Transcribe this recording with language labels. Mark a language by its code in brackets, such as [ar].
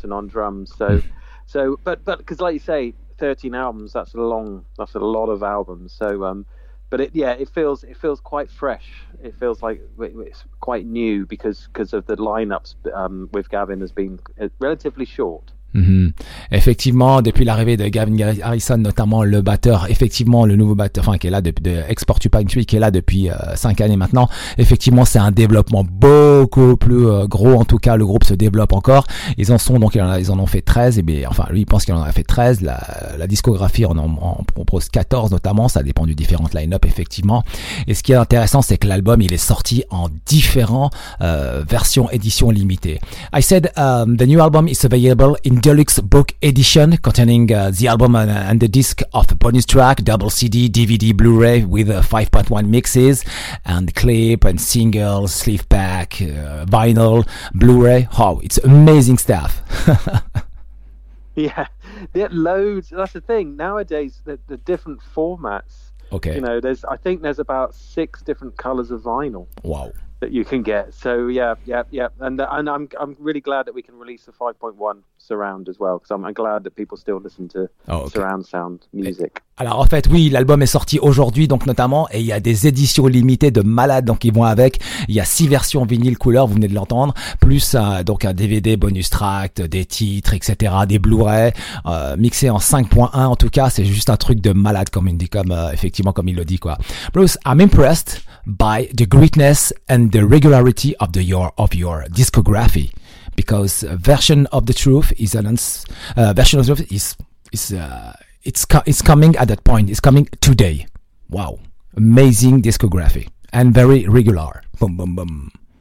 [en] And on drums, so, because like you say, 13 albums, that's a lot of albums. So, it feels quite fresh. It feels like it's quite new because of the lineups. With Gavin has been relatively short. Mm-hmm. [fr] Effectivement, depuis l'arrivée de Gavin Harrison, notamment le batteur, effectivement le nouveau batteur, enfin qui est là depuis de Exportupan Tree, qui est là depuis 5 années maintenant. Effectivement, c'est un développement beaucoup plus gros. En tout cas, le groupe se développe encore. Ils en sont donc ils en ont fait 13. Et bien, enfin, lui il pense qu'il en a fait 13. La discographie en propose 14 notamment. Ça dépend du différent line-up effectivement. Et ce qui est intéressant, c'est que l'album il est sorti en différents versions éditions limitées. [en] I said the new album is available in deluxe book edition containing the album and the disc of a bonus track, double CD, DVD, Blu-ray with 5.1 mixes and clip and single, sleeve pack, vinyl, Blu-ray. Wow, it's amazing stuff. Yeah, they're loads. That's the thing. Nowadays, the different formats. Okay. You know, I think there's about 6 different colors of vinyl. Wow. That you can get. So yeah. And I'm really glad that we can release the 5.1 surround as well, because I'm glad that people still listen to surround sound music. [fr] Alors en fait, oui, l'album est sorti aujourd'hui, donc notamment, et il y a des éditions limitées de malades, donc ils vont avec. Il y a 6 versions vinyle couleur, vous venez de l'entendre, plus donc un DVD bonus track, des titres, etc., des Blu-ray, mixé en 5.1 en tout cas. C'est juste un truc de malade, comme il le dit quoi. [en] Bruce, I'm impressed by the greatness and the regularity of your discography, because version of the truth is coming at that point. It's coming today. Wow, amazing discography and very regular. Boom, boom, boom.